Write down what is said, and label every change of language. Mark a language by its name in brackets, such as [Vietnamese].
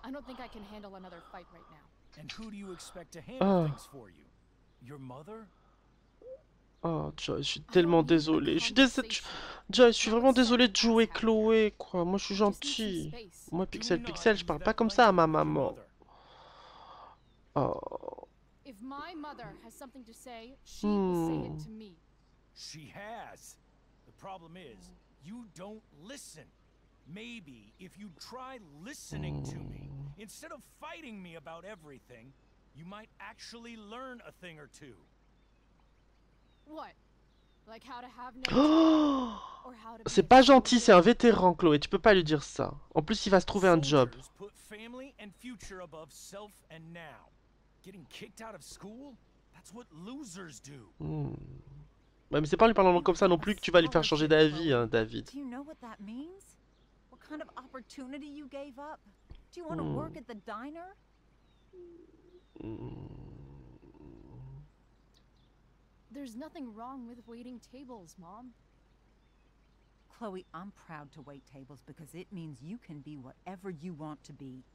[English] I don't think I can handle another fight right now. And who do you expect to handle things for you? Your mother? Oh, [French] Joy, je suis tellement désolé. Je suis vraiment désolé de jouer Chloé, quoi. Moi, je suis gentil. Moi, Pixel, je parle pas comme ça à ma maman. [English] Oh. If my mother has something to say, she will say it to me. She has. The problem is, you don't listen. Maybe if you try listening to me, instead of fighting me about everything, you might actually learn a thing or two. What? Like how to have no or how to. [French] C'est pas gentil, c'est un vétéran, Chloé, tu peux pas lui dire ça. En plus, il va se trouver un job. [English] Put family and future above self and now. Getting kicked out of school? That's what losers do. [French] Bah, mais c'est pas en lui parlant comme ça non plus que tu vas lui faire changer d'avis, hein, David. [English] Do you know what that means? What kind of opportunity you gave up? Do you want to work at the diner? There's nothing wrong with waiting tables, Mom. Chloe, I'm proud to wait tables because it means you can be whatever you want to be.